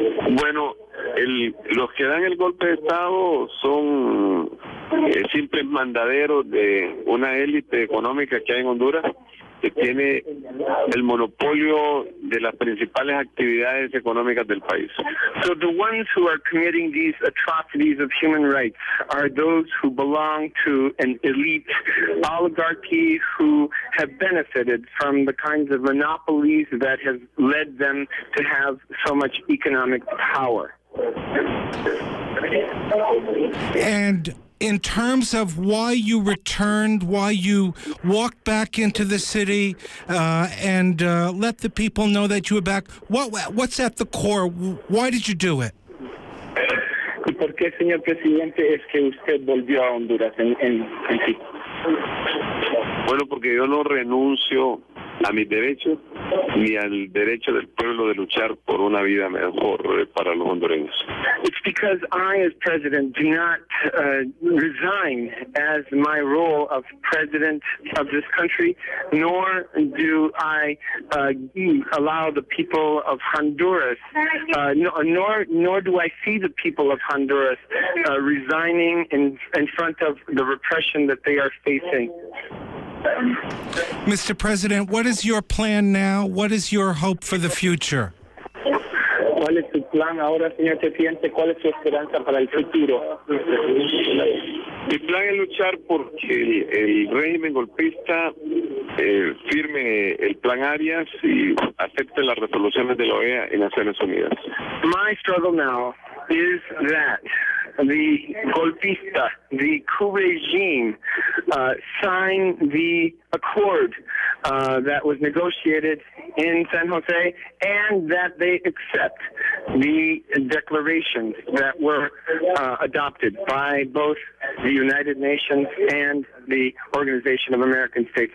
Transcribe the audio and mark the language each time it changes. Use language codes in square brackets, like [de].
[es] Bueno, los que dan el golpe de Estado son simples mandaderos de una élite económica que hay en Honduras, que tiene el monopolio de las principales actividades económicas del país. [en] So the ones who are committing these atrocities of human rights are those who belong to an elite oligarchy who have benefited from the kinds of monopolies that have led them to have so much economic power. And in terms of why you returned, why you walked back into the city and let the people know that you were back, what's at the core? Why did you do it? [es] ¿Y por qué, señor presidente, es que usted volvió a Honduras en sí? Bueno, porque yo no renuncio a mis derechos ni al derecho del pueblo de luchar por una vida mejor para los hondureños. [en] It's because I, as president, do not resign as my role of president of this country, nor do I allow the people of Honduras, nor do I see the people of Honduras resigning in front of the repression that they are facing. Mr. President, what is your plan now? What is your hope for the future? [es] ¿Cuál es su plan ahora, señor presidente? ¿Cuál es su esperanza para el futuro? Mi plan es luchar porque el régimen golpista firme el plan Arias y acepte las resoluciones de la OEA y Naciones Unidas. [en] My struggle now is that the golpista, the coup regime, sign the accord that was negotiated in San Jose, and that they accept the declarations that were adopted by both the United Nations and the Organization of American States.